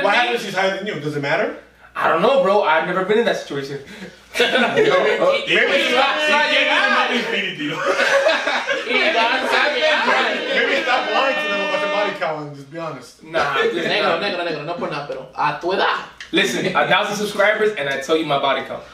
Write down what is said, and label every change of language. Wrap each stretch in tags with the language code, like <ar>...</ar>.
<en>me, what happens if she's higher than you? Does it matter? I don't know, bro. I've never been in that situation. Maybe it's not you. Maybe it's not you. Maybe it's not lying to them about your body count. Just be honest. Nah,</en> <es>negro, no por nada, pero a tu edad.</es> <en>Listen, 1,000 subscribers, and I tell you my body count.</en>